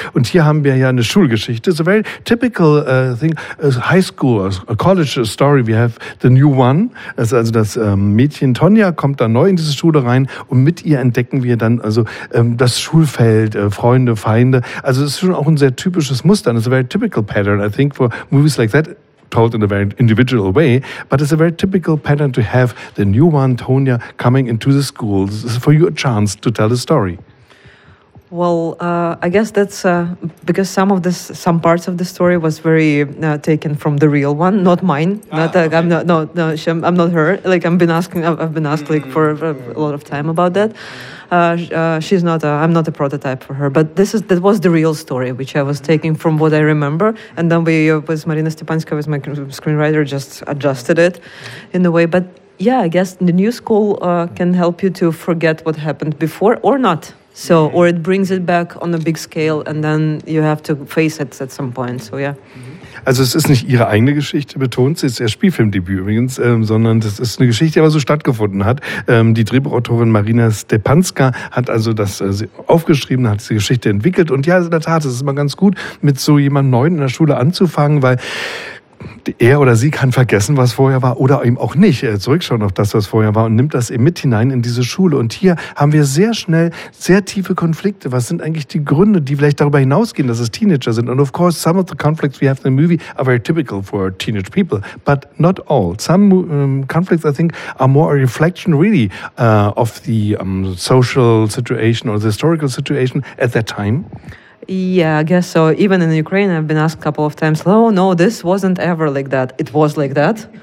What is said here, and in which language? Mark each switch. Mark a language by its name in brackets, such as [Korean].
[German] Und hier haben wir ja eine Schulgeschichte. [English] It's a very typical thing. A high school, a college story. We have the new one. [German] Das ist also das Mädchen Tonja kommt da neu in diese Schule rein und mit ihr entdecken wir dann also das Schulfeld, Freunde, Feinde. Also es ist schon auch ein sehr typisches Muster. [English] It's a very typical pattern, I think, for movies like that, told in a very individual way. But it's a very typical pattern to have the new one, Tonya, coming into the school. This is for you a chance to tell the story. Well, I guess that's because some parts of the story was very taken from the real one, not mine. I'm not her. Like I've been asked like for a lot of time about that. She's not. I'm not a prototype for her. But that was the real story, which I was taking from what I remember. And then we, with Marina Stepanska, with my screenwriter, just adjusted it in a way. But yeah, I guess the new school can help you to forget what happened before or not. So, or it brings it back on a big scale and then you have to face it at some point. So, yeah. [German] Also es ist nicht ihre eigene Geschichte, betont sie, es ist ihr Spielfilmdebüt übrigens, sondern das ist eine Geschichte, die aber so stattgefunden hat. Die Drehbuchautorin Marina Stepanska hat also das aufgeschrieben, hat die Geschichte entwickelt. Und ja, in der Tat, es ist immer ganz gut, mit so jemandem Neuen in der Schule anzufangen, weil er oder sie kann vergessen, was vorher war oder eben auch nicht, zurückschauen auf das, was vorher war und nimmt das eben mit hinein in diese Schule. Und hier haben wir sehr schnell sehr tiefe Konflikte. Was sind eigentlich die Gründe, die vielleicht darüber hinausgehen, dass es Teenager sind? [English] And of course, some of the conflicts we have in the movie are very typical for teenage people, but not all. Some conflicts, I think, are more a reflection, really, of the social situation or the historical situation at that time. Yeah, I guess so. Even in Ukraine, I've been asked a couple of times, oh, no, this wasn't ever like that. It was like that.